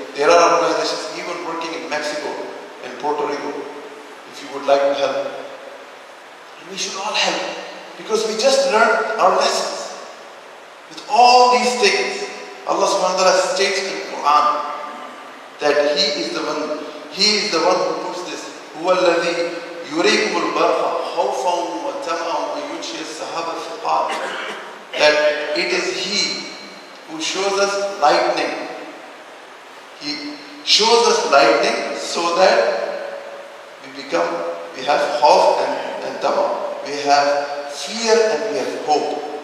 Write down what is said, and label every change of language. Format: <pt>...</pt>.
<en>There are organizations even working in Mexico, in Puerto Rico. If you would like to help, we should all help, because we just learned our lessons. With all these things, Allah subhanahu wa ta'ala states in Quran that He is the one who puts this.</en> <ar>هو الذي يريكم البرق خوفا وطمعا ويُجِي السحاب الثقال.</ar> <en>That it is He who shows us lightning. He shows us lightning so that we become, we have khauf and tama, we have fear and we have hope.</en>